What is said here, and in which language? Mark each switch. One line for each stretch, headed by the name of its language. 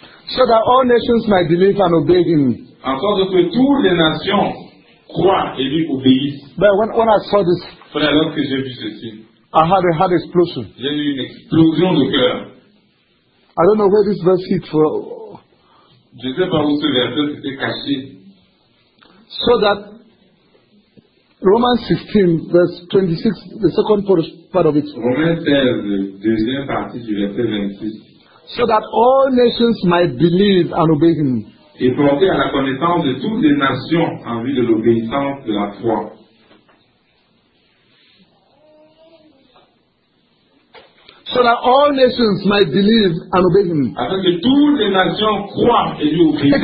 English: So that all nations might believe and obey him.
French: En sorte que toutes les nations croient et lui obéissent.
English: But when I saw this.
French: Pour la langue que j'ai vu ceci.
English: I had a heart explosion.
French: J'ai eu une explosion de cœur.
English: I don't know where this verse is from.
French: Je ne sais pas où ce verset était caché.
English: So that Romans 16, verse 26, the second part of it.
French: Romains 16, deuxième partie du verset 26.
English: So that all nations might believe and obey him.
French: Et porter à la connaissance de toutes les nations en vue de l'obéissance de la foi.
English: So that all nations might believe and obey him.
French: Afin que toutes les nations croient et lui obéissent.